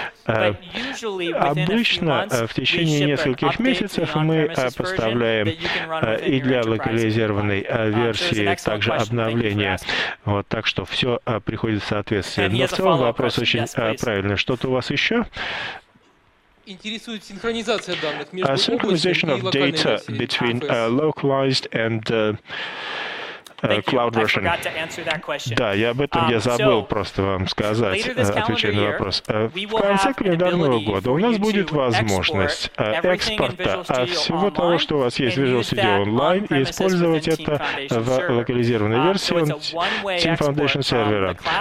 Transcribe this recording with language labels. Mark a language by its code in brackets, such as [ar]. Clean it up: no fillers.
[ru] Обычно в течение нескольких месяцев мы поставляем и для локализированной версии также обновления. Вот, так что все приходит в соответствие. Но в целом вопрос очень правильный. Что-то у вас еще? Интересует синхронизация данных между облачными и локальными версиями. [en] Synchronization of data between localized and cloud version. [ru] Да, я об этом я забыл просто вам сказать, отвечая на вопрос. В конце календарного года у нас будет возможность экспорта всего того, что у вас есть в Visual Studio Online, и использовать это в локализированной версии Team Foundation сервера.